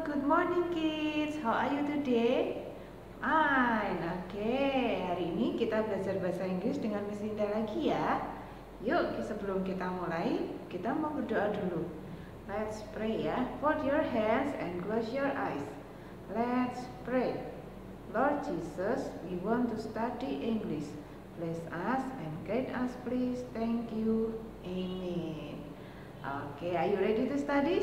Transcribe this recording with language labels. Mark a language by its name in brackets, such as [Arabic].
[English] Morning kids, how are you today? Fine, okay. [Indonesian] Hari ini kita belajar bahasa Inggris dengan Miss Linda lagi ya. Yuk, sebelum kita mulai, kita mau berdoa dulu. [English] Let's pray [Indonesian] ya. [English] Fold your hands and close your eyes. Let's pray. Lord Jesus, we want to study English. Bless us and guide us please. Thank you. Amen. Okay, are you ready to study?